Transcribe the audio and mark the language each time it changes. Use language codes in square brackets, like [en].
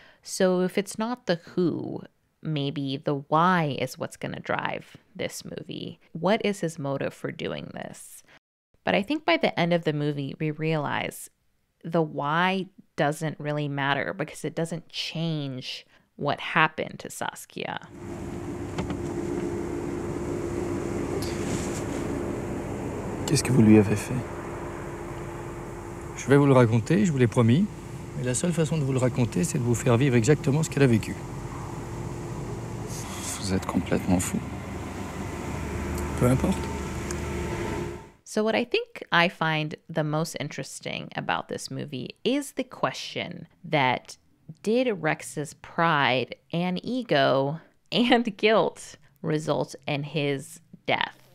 [en] So if it's not the who, maybe the why is what's going to drive this movie. What is his motive for doing this? But I think by the end of the movie, we realize the why doesn't really matter because it doesn't change what happened to Saskia. [fr] Qu'est-ce que vous lui avez fait? Je vais vous le raconter, je vous l'ai promis. Mais la seule façon de vous le raconter, c'est de vous faire vivre exactement ce qu'elle a vécu. Vous êtes complètement fou. Peu importe. [en] So what I think I find the most interesting about this movie is the question that did Rex's pride and ego and guilt result in his death?